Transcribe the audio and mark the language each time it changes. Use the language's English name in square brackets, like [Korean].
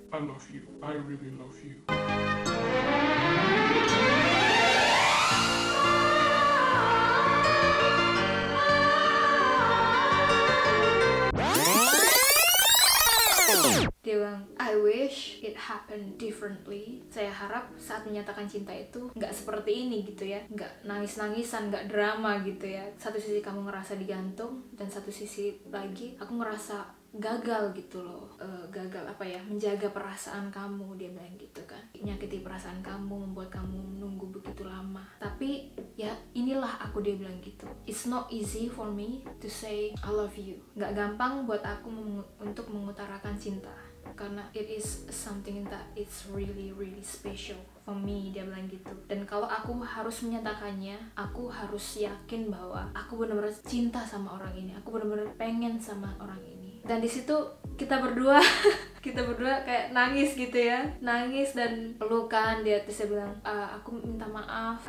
[English] I love you. I really love you." [Indonesian] Dia bilang, [English] "I wish it happened differently." [Indonesian] Saya harap saat menyatakan cinta itu gak seperti ini gitu ya. Gak nangis-nangisan, gak drama gitu ya. Satu sisi kamu ngerasa digantung, dan satu sisi lagi aku ngerasa gagal gitu loh. Gagal apa ya, menjaga perasaan kamu, dia bilang gitu kan. Nyakiti perasaan kamu, membuat kamu menunggu begitu lama. Tapi ya inilah aku, dia bilang gitu. [English] "It's not easy for me to say I love you." [Indonesian] Gak gampang buat aku untuk mengutarakan cinta. Karena [English] it is something that it's really really special for me, [Indonesian] dia bilang gitu. Dan kalau aku harus menyatakannya, aku harus yakin bahwa aku benar-benar cinta sama orang ini. Aku benar-benar pengen sama orang ini. Dan di situ kita berdua kayak nangis gitu ya. Nangis dan pelukan. Dia terus bilang, "Aku minta maaf.